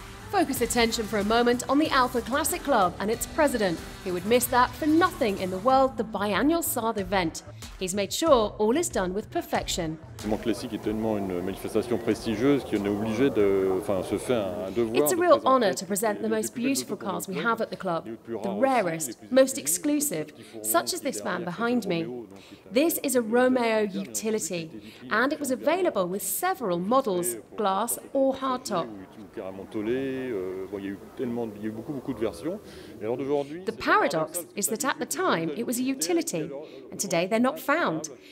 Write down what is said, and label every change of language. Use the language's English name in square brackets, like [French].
[English] Focus attention for a moment on the Alpha Classic Club and its president, who would miss that for nothing in the world, the biannual Sard event. He's made sure all is done with perfection. [French] Le classique est tellement une manifestation prestigieuse qu'on est obligé de, enfin, se faire un devoir. [English] It's a real honor to present the most beautiful cars we have at the club, the rarest, most exclusive, such as this van behind me. This is a Romeo utility, and it was available with several models, glass or hardtop. The paradox is that at the time it was a utility, and today they're not found.